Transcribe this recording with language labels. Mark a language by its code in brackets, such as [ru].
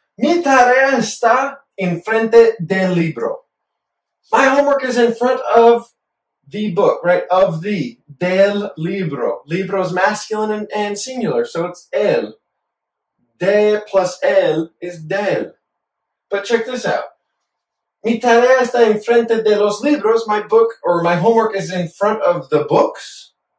[es] Mi tarea está en frente del libro. [en] My homework is in front of the book, right? Of the, [es] del libro. [en] Libro is masculine and singular, so it's el. De plus el is del. But check this out. [es] Mi tarea está en frente de los libros. [en] My book, or my homework, is in front of the books.